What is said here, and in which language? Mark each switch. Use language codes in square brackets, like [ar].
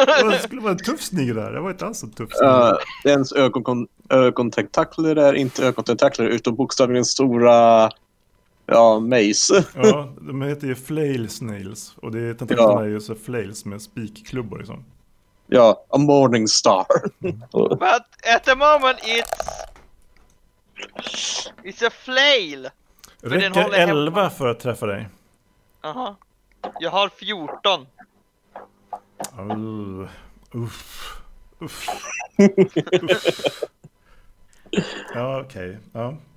[sv] Det skulle vara en tuff snigel där. Jag var inte alls så tuff snigel. Ens ögontentakler är inte ögontentakler utan bokstavligen stora mace. Ja, de heter ju flail snails. Och det är tentaklerna är ju så flails med spikklubbor liksom. [en] Ja, a morning star. But at the moment it's a flail. [sv] Räcker 11 för att träffa dig? Aha. Jag har 14. Uff. Ja, okej. Okay. Ja.